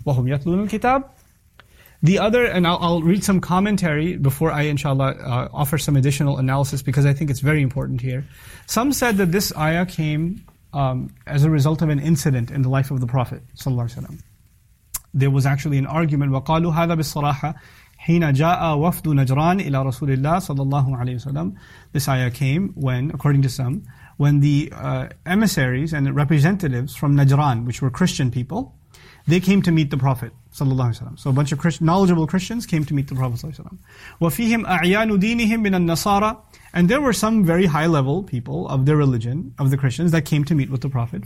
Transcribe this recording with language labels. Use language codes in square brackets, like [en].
[ar] وَهُمْ يَتْلُونَ الْكِتَابِ. [en] The other, and I'll read some commentary before I, inshallah, offer some additional analysis because I think it's very important here. Some said that this ayah came as a result of an incident in the life of the Prophet sallallahu alaihi wasallam. There was actually an argument. [ar] وَقَالُوا هَذَا بِالصَّرَاحَةِ حِينَ جَاءَ وَفْدُ نَجْرَانِ إِلَى رَسُولِ اللَّهِ sallallahu alaihi wasallam. [en] This ayah came when, according to some, when the emissaries and the representatives from Najran, which were Christian people, they came to meet the Prophet sallallahu alaihi wasallam. So a bunch of knowledgeable Christians came to meet the Prophet sallallahu alaihi wasallam. [ar] وَفِيهِمْ أَعْيَانُ دِينِهِمْ مِنَ النَّصَارَى. [en] And there were some very high-level people of their religion, of the Christians, that came to meet with the Prophet.